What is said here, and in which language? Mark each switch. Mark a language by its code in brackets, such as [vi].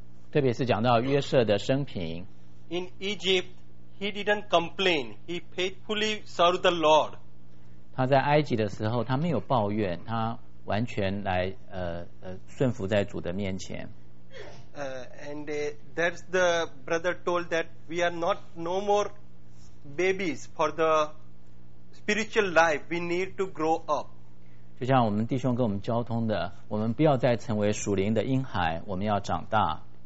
[zh] 特别是讲到约瑟的生平。 [en] In Egypt, he didn't complain. He faithfully served the Lord. [zh] 他在埃及的时候，他没有抱怨，他。完全来, 顺服在主的面前。 [en] And that's the brother told that we are not no more babies for the spiritual life. We need to grow up. [zh] 就像我们弟兄跟我们交通的，我们不要再成为属灵的婴孩，我们要长大。